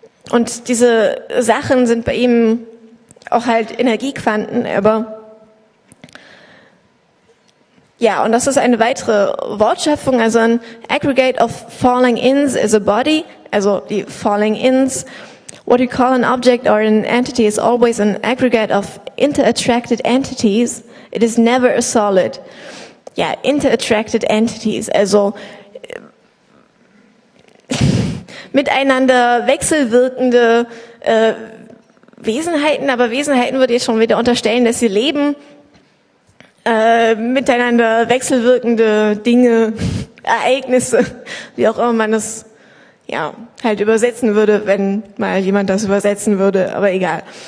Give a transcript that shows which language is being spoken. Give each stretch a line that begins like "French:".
German: Und diese Sachen sind bei ihm auch halt Energiequanten, aber ja, und das ist eine weitere Wortschöpfung, also ein
English: aggregate of falling ins is a body,
German: also die
English: falling ins. What you call an object or an entity is always an aggregate of interattracted entities. It is never a solid.
German: Ja,
English: interattracted entities,
German: also miteinander wechselwirkende Wesenheiten, aber Wesenheiten würde ich schon wieder unterstellen, dass sie leben. Miteinander wechselwirkende Dinge, Ereignisse, wie auch immer man es ja halt übersetzen würde, wenn mal jemand das übersetzen würde, aber egal.